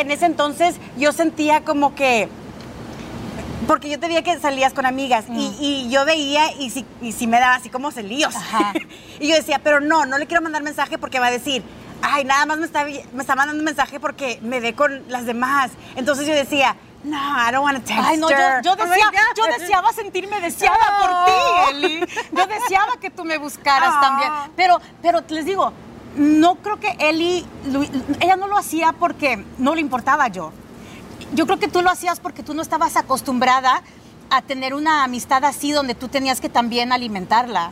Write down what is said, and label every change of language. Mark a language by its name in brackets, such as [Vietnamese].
[Spanish] En ese entonces yo sentía como que. Porque yo te veía que salías con amigas y yo veía y sí me daba así como celíos. Ajá. Y yo decía, pero no le quiero mandar mensaje porque va a decir, ay, nada más me está mandando mensaje porque me ve con las demás. Entonces yo decía, no, [English] I don't want to text her. [Spanish] Ay, no, yo deseaba sentirme deseada por ti, Eli. Yo deseaba que tú me buscaras también. Pero les digo, no creo que Eli, ella no lo hacía porque no le importaba yo. Yo creo que tú lo hacías porque tú no estabas acostumbrada a tener una amistad así donde tú tenías que también alimentarla.